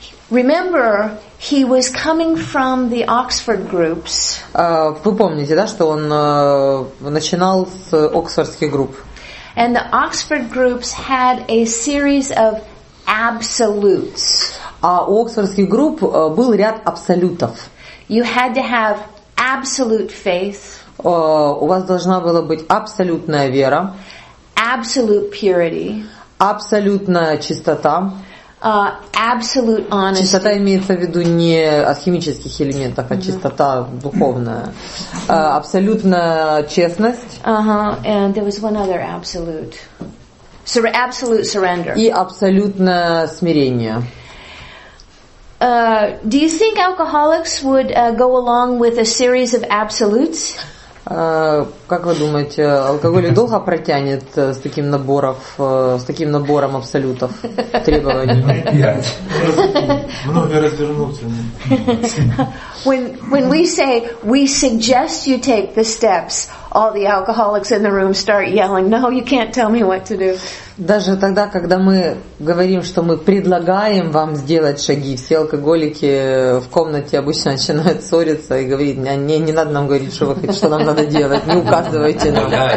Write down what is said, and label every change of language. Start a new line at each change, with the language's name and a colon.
English: Remember, he was coming from the Oxford groups.
Russian: Вы помните, да, что он начинал с Оксфордских групп?
English: And the Oxford groups had a series of absolutes.
Russian: А у Оксфордских групп был ряд абсолютов.
English: You had to have absolute faith.
Russian: У вас должна была быть абсолютная вера.
English: Absolute purity.
Russian: Абсолютная чистота.
English: Absolute honesty.
Russian: Чистота имеется в виду не от химических элементов, а чистота духовная. Абсолютная честность.
English: And there was one other absolute. Absolute surrender.
Russian: И абсолютное смирение.
English: Do you think alcoholics would go along with a series of absolutes?
Russian: Как вы думаете, алкоголик долго протянет с таким набором абсолютов требований? Много развернуться.
English: When we say we suggest you take the steps, all the alcoholics in the room start yelling, "No, you can't tell me what to do."
Russian: Даже тогда, когда мы говорим, что мы предлагаем вам сделать шаги, все алкоголики в комнате обычно начинают ссориться и говорить: не надо нам говорить, что нам надо делать, не указывайте нам.